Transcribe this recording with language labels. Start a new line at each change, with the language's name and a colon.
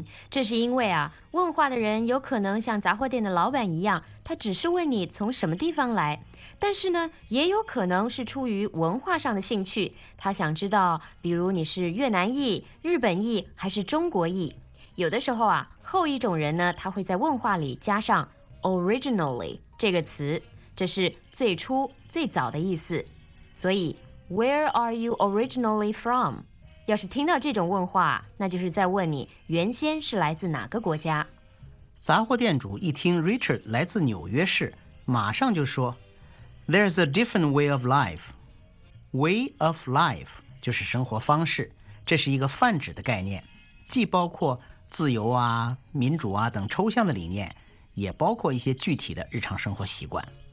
Chinese: 这是因为啊，问话的人有可能像杂货店的老板一样，他只是问你从什么地方来，但是呢，也有可能是出于文化上的兴趣，他想知道比如你是越南裔、日本裔还是中国裔。有的时候啊，后一种人呢，他会在问话里加上 originally 这个词，这是最初最早的意思。所以
English: Where are you originally from?
Chinese: 要是听到这种问话，那就是在问你原先是来自哪个国家。杂货店主一听 Richard 来自纽约市，马上就说
English: There's a different way of life.
Chinese: Way of life 就是生活方式，这是一个泛指的概念，既包括自由啊、民主啊等抽象的理念，也包括一些具体的日常生活习惯。